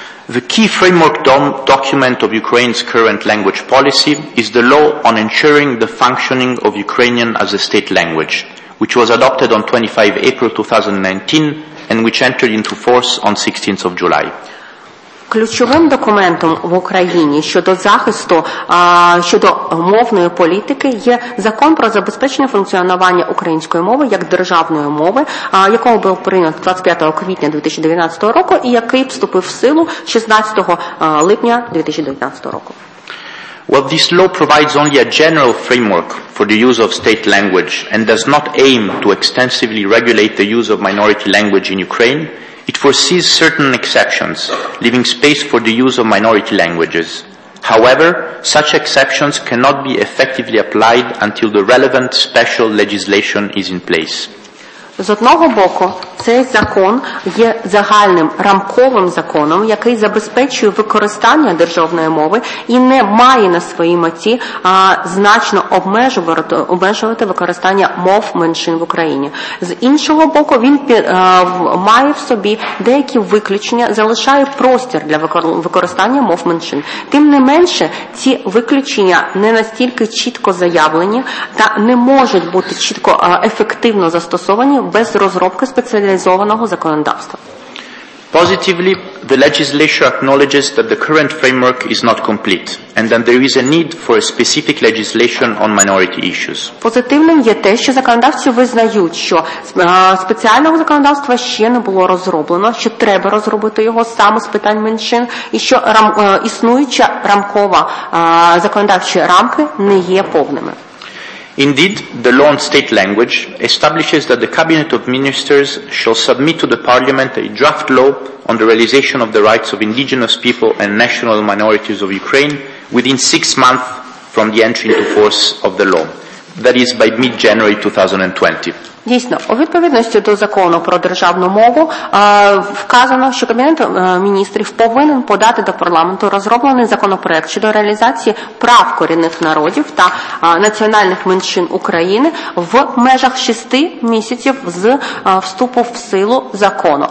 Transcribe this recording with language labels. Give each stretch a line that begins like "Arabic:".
English: The key framework document of Ukraine's current language policy is the Law on Ensuring the Functioning of Ukrainian as a State Language, which was adopted on 25 April 2019 and which entered into force on 16th of July.
Ukrainian: Ключовим документом в Україні щодо захисту, щодо мовної політики є закон про забезпечення функціонування української мови як державної мови, якого був прийнятий 25 квітня 2019 року і який вступив в силу 16 липня 2019 року.
English: Well, this law provides only a general framework for the use of state language and does not aim to extensively regulate the use of minority language in Ukraine. It foresees certain exceptions, leaving space for the use of minority languages. However, such exceptions cannot be effectively applied until the relevant special legislation is in place.
Ukrainian: З одного боку, цей закон є загальним рамковим законом, який забезпечує використання державної мови і не має на своїй меті значно обмежувати використання мов меншин в Україні. З іншого боку, він має в собі деякі виключення, залишає простір для використання мов меншин. Тим не менше, ці виключення не настільки чітко заявлені та не можуть бути чітко ефективно застосовані без розробки спеціалізованого законодавства.
English: Positively, the legislature acknowledges that the current framework is not complete and that there is a need for a specific legislation on minority issues.
Ukrainian: Позитивним є те, що законодавці визнають, що спеціального законодавства ще не було розроблено, що треба розробити його саме з питань меншин і що існуюча рамкова законодавчі рамки не є повними.
English: Indeed, the Law on State Language establishes that the Cabinet of Ministers shall submit to the Parliament a draft law on the realization of the rights of indigenous people and national minorities of Ukraine within 6 months from the entry into force of the law. That is by mid-January 2020.
Ukrainian: Дійсно, у відповідності до закону про державну мову вказано, що Кабінет міністрів повинен подати до парламенту розроблений законопроект щодо реалізації прав корінних народів та національних меншин України в межах 6 місяців з вступу в силу закону.